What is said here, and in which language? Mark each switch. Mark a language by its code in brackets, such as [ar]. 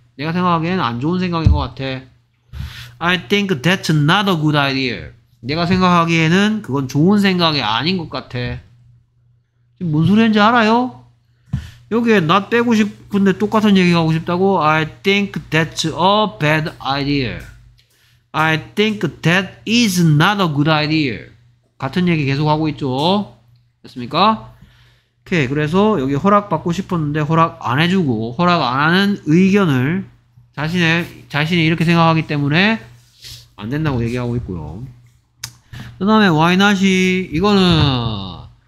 [ko] 내가 생각하기에는 안 좋은 생각인 것 같아. [en] I think that's not a good idea. [ko] 내가 생각하기에는 그건 좋은 생각이 아닌 것 같아. 지금 뭔 소리인지 알아요? 여기에 not 빼고 싶은데 똑같은 얘기하고 싶다고? [en] I think that's a bad idea. I think that is not a good idea. [ko] 같은 얘기 계속하고 있죠? 됐습니까? 오케이. 그래서 여기 허락받고 싶었는데 허락 안 해주고 허락 안 하는 의견을 자신이 이렇게 생각하기 때문에 안 된다고 얘기하고 있고요. 그 다음에 [en] why not [ko] 이 이거는